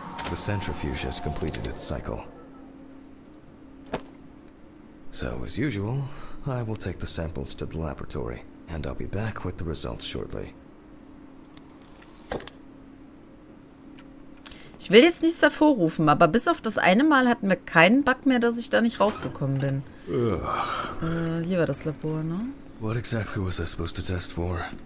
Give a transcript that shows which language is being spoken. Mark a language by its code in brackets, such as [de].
[en] The centrifuge has completed its cycle. So, as usual, I will take the samples to the laboratory. And I'll be back with the results shortly. [de] Ich will jetzt nichts hervorrufen, aber bis auf das eine Mal hatten wir keinen Bug mehr, dass ich da nicht rausgekommen bin. Hier war das Labor, ne? [en] What exactly was I supposed to test for?